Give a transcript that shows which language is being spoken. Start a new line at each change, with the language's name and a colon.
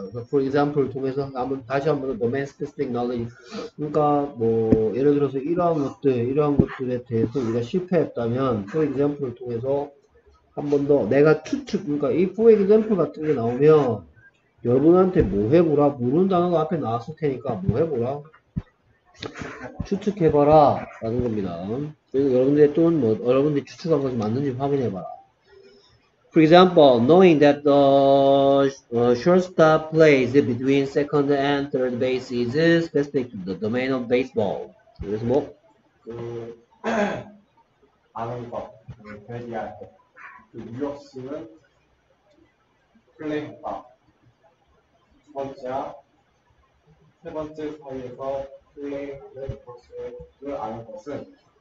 Korean: 그래서 for example 통해서 다시 한번
English: domain specific knowledge
Korean: 그러니까 뭐 예를 들어서 이러한 것들에 대해서 우리가 실패했다면 for example 통해서 한번 더 내가 추측 그러니까 이 for example 같은 게 나오면 여러분한테 뭐 해보라 모르는 단어가 앞에 나왔을 테니까 뭐 해보라 추측해봐라 라는 겁니다. 그리고 여러분들 또는 뭐 여러분들이 추측한 것이 맞는지 확인해봐라.
English: For example, knowing that the shortstop plays between second and third base is specific to the domain of baseball.
Korean: 그래서 뭐? 아는 것, 배지할 때, 그 유격수는 플레이할 때, 두 번째와 세 번째 사이에서 플레이하는 것을 아는 것은